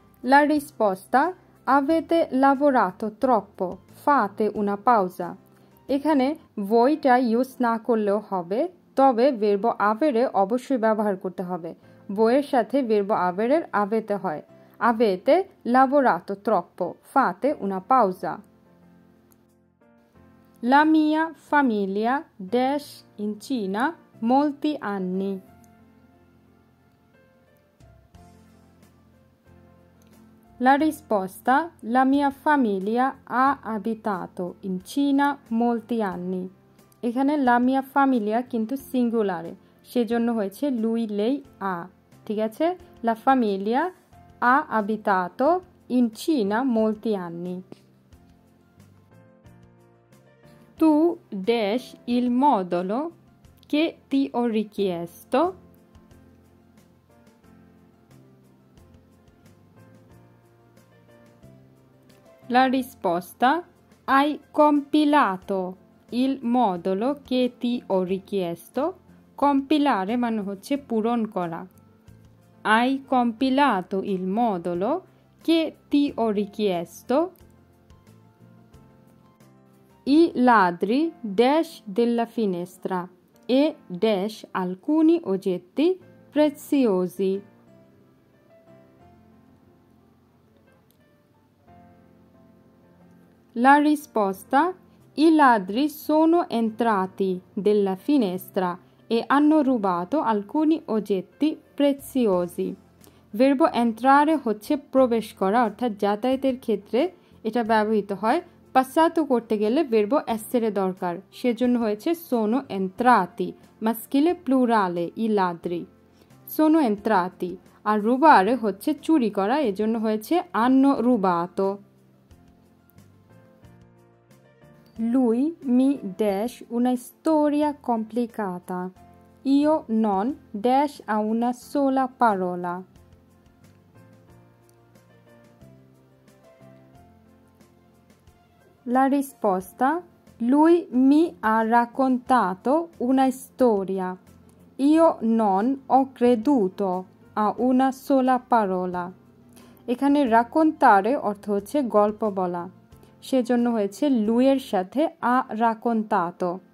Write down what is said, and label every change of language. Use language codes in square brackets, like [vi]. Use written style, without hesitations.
[it] La risposta avete lavorato troppo, fate una pausa. [bn] এখানে voi টা use না করলেও হবে, তবে ভেরব আভেরে অবশ্যই ব্যবহার করতে হবে। বইয়ের সাথে ভেরব আভেরের আভেতে হয়, আভেতে [it] lavorato troppo, fate una pausa. La mia famiglia dash in Cina molti anni. La risposta, la mia famiglia ha abitato in Cina molti anni. [bn] এখানে [it] la mia famiglia [bn] কিন্তু singulare, সেজন্য হয়েছে lui, lei, a, ঠিক আছে? [it] La famiglia ha abitato in Cina molti anni. Tu dash il modulo che ti ho richiesto? La risposta, hai compilato il modulo che ti ho richiesto. [bn] Compilare মানে হচ্ছে পূরণ করা. [it] Hai compilato il modulo che ti ho richiesto. I ladri dash della finestra e dash alcuni oggetti preziosi. La risposta, i ladri sono entrati dalla finestra e hanno rubato alcuni oggetti preziosi. [bn] Verbo entrare হচ্ছে প্রবেশ করা, অর্থাৎ যাতায়াতের ক্ষেত্রে এটা ব্যবহৃত হয়। পাশ্চাত্য করতে গেলে [it] verbo essere [bn] দরকার, সেজন্য হয়েছে [it] sono entrati, maschile plurale i ladri, sono entrati. [bn] আর rubare হচ্ছে চুরি করা, এজন্য হয়েছে [it] hanno rubato. Lui mi dash una storia complicata. Io non dash a una sola parola. La risposta, lui mi ha raccontato una storia. Io non ho creduto a una sola parola. [bn] এখানে raccontare অর্থ হচ্ছে গল্প বলা, সেজন্য হয়েছে লুইয়ের সাথে আ রাকন্তাতো।